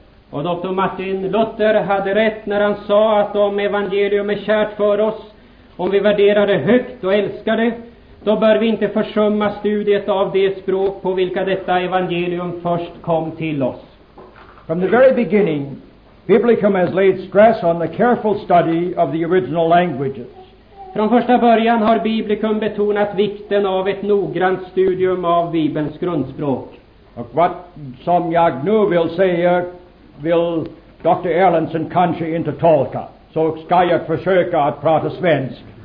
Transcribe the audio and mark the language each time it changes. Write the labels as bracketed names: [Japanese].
[Swedish] Och Dr. Martin Luther hade rätt när han sa att om evangelium är kärt för oss, om vi värderar det högt och älskar det, då bör vi inte försumma studiet av det språk på vilka detta evangelium först kom till oss. [English] From the very beginning, Biblicum has laid stress on the careful study of the original languages. [Swedish] Från första början har Biblicum betonat vikten av ett noggrant studium av Bibelns grundspråk. Och vad som jag nu vill säga vill Dr. Erlandsson kanske inte tolka. Så ska jag försöka att prata svensk.